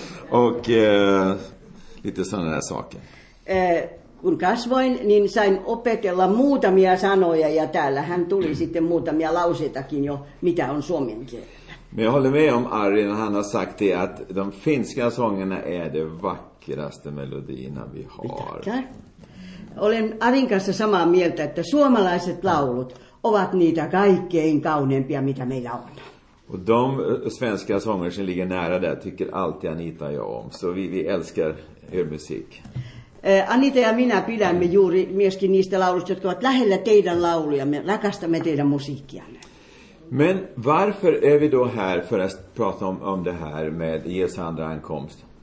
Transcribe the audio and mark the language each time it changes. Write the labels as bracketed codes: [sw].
[sv] Och lite sådana där saker. [fi] Kun kasvoin, niin sain opetella muutamia sanoja ja täällä hän tuli sitten muutamia lauseitakin jo, mitä on suomen kielellä. [sv] Men jag håller med om Arjen, han har sagt det att de finska sångerna är de vackraste melodierna vi har. Tackar. [fi] Olen Arin kanssa samaa mieltä, että suomalaiset laulut ovat niitä kaikkein kauneimpia, mitä meillä on. [sv] Och de svenska sånger som ligger nära där tycker alltid Anita och jag om. Så vi älskar er musik. [fi] Anita ja minä pidämme juuri myöskin niistä laulusta, jotka ovat lähellä teidän lauluja. Me rakastamme teidän musiikkianne. [sv] Men varför är vi då här för att prata om det här med Jesu andra ankomst?